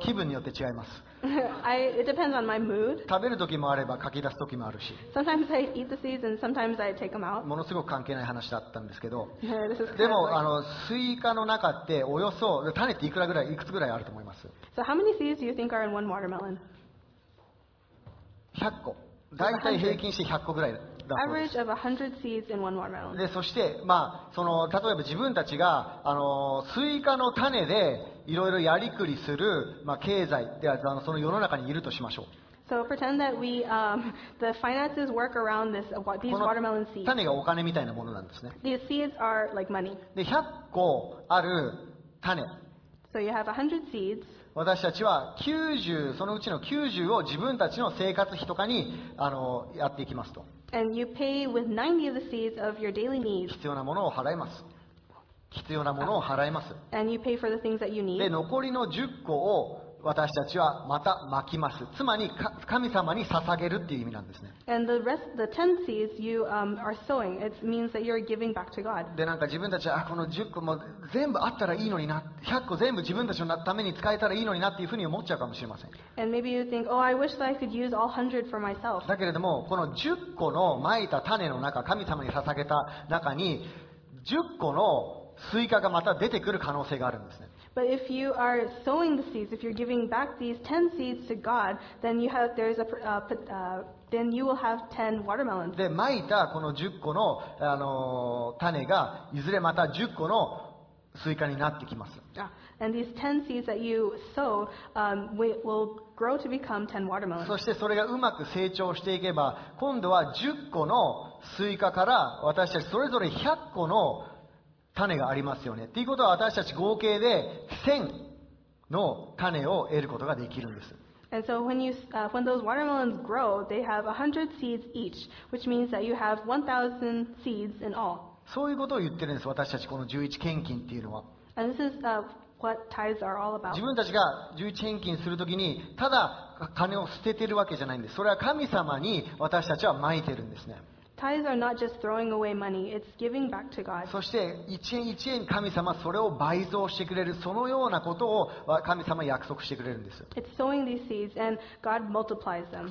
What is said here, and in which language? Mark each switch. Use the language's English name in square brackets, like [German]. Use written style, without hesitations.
[Japanese] 気分によって違います。 [English] it depends on my mood. [Japanese] 食べる時もあればかき出す時もあるし、 [English] sometimes I eat the seeds and sometimes I take them out. [Japanese] ものすごく関係ない話だったんですけど、 [English] yeah, this is [Japanese] でも、 like、スイカの中っておよそ種っていくらぐらいいくつぐらいあると思います？ [English] So how many seeds do you think are in one watermelon? [Japanese] 100個。だいたい平均して100個ぐらいだそうです。 [English] Average of 100 seeds in one watermelon. [Japanese] で、そして、まあ、その例えば自分たちがスイカの種でいろいろやりくりする、まあ、経済で、その世の中にいるとしましょう。 [English] So pretend that we, the finances work around this, these watermelon seeds. [Japanese] この種がお金みたいなものなんですね。 [English] These seeds are like money. [Japanese] で、100個ある種。 [English] So you have 100 seeds. [Japanese] 私たちは90、そのうちの90を自分たちの生活費とかにやっていきますと。 [English] And you pay with 90 of the seeds of your daily needs. [Japanese] 必要なものを払います。必要なものを払います。 [English] And you pay for the things that you need. [Japanese] で、残りの10個を私たちはまた撒きます。つまり、神様に捧げるっていう意味なんですね。 [English] And the rest, the 10 seeds you are sowing, it means that you're giving back to God. [Japanese] で、なんか自分たちは、この10個も全部あったらいいのにな、100個全部自分たちのために使えたらいいのになっていうふうに思っちゃうかもしれません。 [English] And maybe you think, oh, I wish that I could use all 100 for myself. [Japanese] だけれども、この10個の撒いた種の中、神様に捧げた中に、10個のスイカがまた出てくる可能性があるんですね。 [English] But if you are sowing the seeds, if you're giving back these 10 seeds to God, then you have there's a then you will have 10 watermelons. [Japanese] で、撒いたこの10個の種がいずれまた10個のスイカになってきます。 [English] And these 10 seeds that you sow will grow to become 10 watermelons. [Japanese] そしてそれがうまく成長していけば、今度は10個のスイカから私たちそれぞれ100個の種がありますよね。っていうことは私たち合計で1000 の種を得ることができるんです。 [English] And so when, when those watermelons grow, they have 100 seeds each, which means that you have 1,000 seeds in all. [Japanese] そういうことを言ってるんです、私たちこの11献金っていうのは。 [English] And this is, what tithes are all about. [Japanese] 自分たちが11献金するときに、ただ金を捨ててるわけじゃないんです。それは神様に私たちは撒いてるんですね。 [English] Tithes are not just throwing away money, it's giving back to God. [Japanese] そして1円1円神様それを倍増してくれる、そのようなことを神様約束してくれるんです。 [English] It's sowing these seeds and God multiplies them.